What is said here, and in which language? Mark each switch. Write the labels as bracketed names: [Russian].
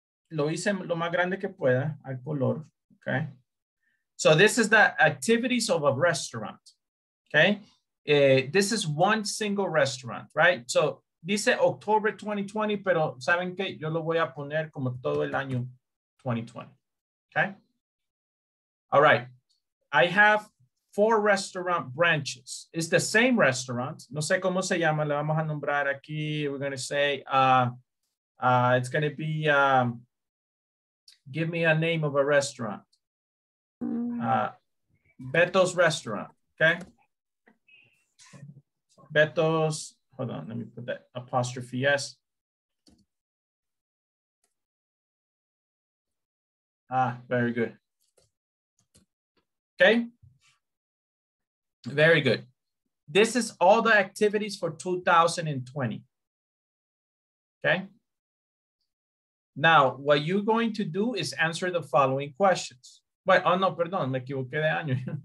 [Spanish] Lo hice lo más grande que pueda al color, okay? [English] So this is the activities of a restaurant, okay? This is one single restaurant, right? [Spanish] So dice October 2020, pero saben que yo lo voy a poner como todo el año 2020, okay? [English] All right, I have four restaurant branches. It's the same restaurant. [Spanish] No sé cómo se llama, le vamos a nombrar aquí. [English] We're gonna say, it's gonna be, give me a name of a restaurant. Beto's restaurant, okay? Beto's, hold on, let me put that apostrophe S. Ah, very good. Okay, very good. This is all the activities for 2020, okay? Now, what you're going to do is answer the following questions. Wait, oh no, [Spanish] perdón, me equivoqué de año.